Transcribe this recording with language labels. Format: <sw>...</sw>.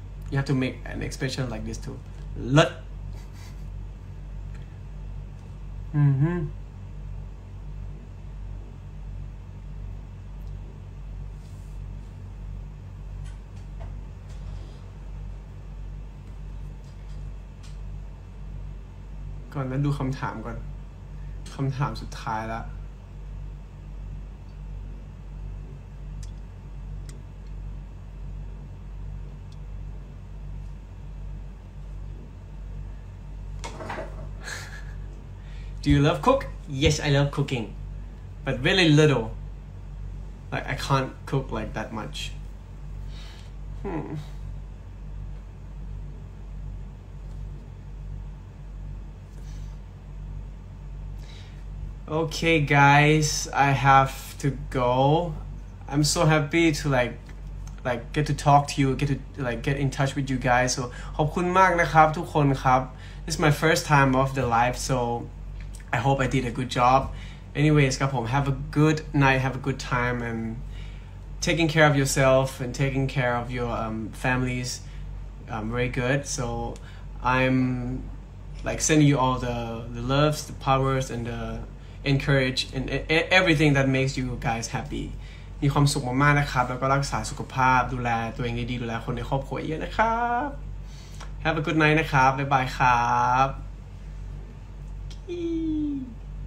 <en>You have to make an expression like this too.</en> <th>รดก่อนนั้นดูคำถามก่อน คำถามสุดท้ายละ</th> <en>Do you love cook? Yes, I love cooking, but really little. Like I can't cook like that much. Okay, guys, I have to go. I'm so happy to like get to talk to you, get in touch with you guys. So</en> <th>ขอบคุณมากนะครับทุกคนครับ</th> <en>This is my first time of the live, so. I hope I did a good job. Anyways,</en> <th>ครับผม</th> <en>have a good night, have a good time, and taking care of yourself and taking care of your families, very good. So I'm like sending you all the loves, the powers, and the encourage and everything that makes you guys happy.</en> <th>มีความสุขมากๆนะครับแล้วก็รักษาสุขภาพดูแลตัวเองดีๆดูแลคนในครอบครัวเยอะนะครับ</th> <en>Have a good night</en> <th>นะครับบ๊ายบายครับEeeeee</th>